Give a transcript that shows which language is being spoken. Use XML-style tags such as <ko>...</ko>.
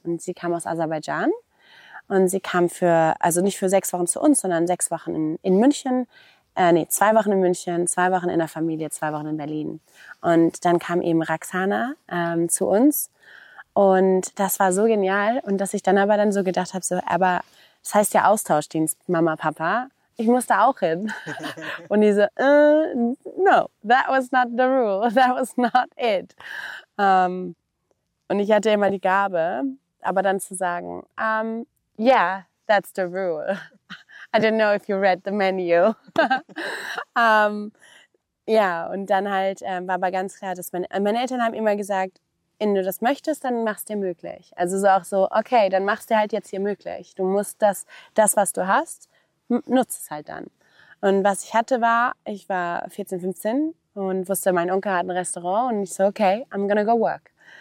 <de>Und sie kam aus Aserbaidschan. Und sie kam nicht für 6 Wochen zu uns, sondern 6 Wochen in München. 2 Wochen in München, 2 Wochen in der Familie, 2 Wochen in Berlin. Und dann kam eben Raxana zu uns. Und das war so genial. Und dass ich dann aber dann so gedacht habe, das heißt ja Austauschdienst, Mama, Papa. Ich muss da auch hin. Und die so,</de> <en>no, that was not the rule. That was not it.</en> <de>Und ich hatte immer die Gabe, aber dann zu sagen,</de> <en>yeah, that's the rule. I don't know if you read the menu.</en> <de>und dann halt war aber ganz klar, dass meine Eltern haben immer gesagt, wenn du das möchtest, dann mach's dir möglich. Also so auch so, okay, dann mach's dir halt jetzt hier möglich. Du musst das, was du hast, nutze es halt dann. Und was ich hatte war, ich war 14, 15 und wusste, mein Onkel hat ein Restaurant und ich so, okay,</de> <en>I'm gonna go work.</en>